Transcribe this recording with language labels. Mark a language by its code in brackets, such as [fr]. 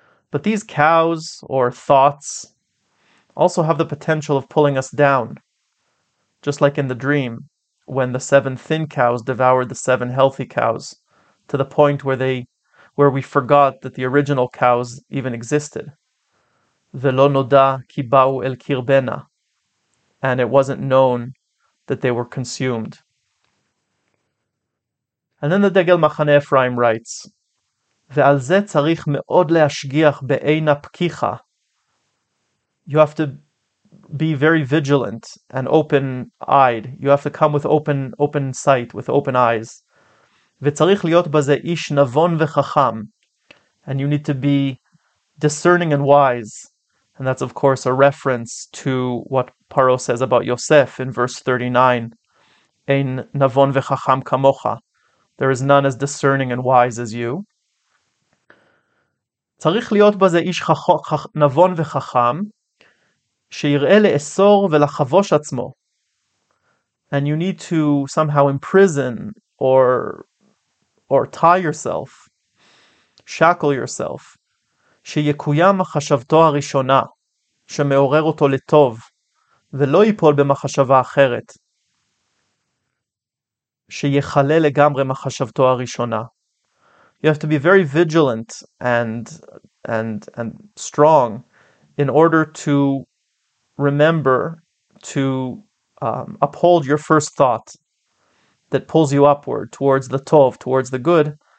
[en] But these cows, or thoughts, also have the potential of pulling us down, just like in the dream, when the seven thin cows devoured the seven healthy cows, to the point where we forgot that the original cows even existed. [he] Velo noda ki ba'u el kirbena, [en] and it wasn't known that they were consumed. And then the Degel Machane Ephraim writes, [he] ועל זה צריך מאוד להשגיח בעין הפקיחה. [en] You have to be very vigilant and open-eyed. You have to come with open sight, with open eyes. [he] וצריך להיות בזה איש נבון וחכם. [en] And you need to be discerning and wise. And that's, of course, a reference to what Paro says about Yosef in verse 39. [he] Ein navon vechacham kamocha. [en] There is none as discerning and wise as you. [he] צריך להיות בזה איש נבון וחכם שיראה לאסור ולחבוש עצמו. [en] And you need to somehow imprison or tie yourself, shackle yourself, [he] שיקוים מחשבתו הראשונה שמעורר אותו לטוב ולא ייפול במחשבה אחרת, שיחלה לגמרי מחשבתו הראשונה. [en] You have to be very vigilant and strong in order to remember to uphold your first thought that pulls you upward towards the tov, towards the good,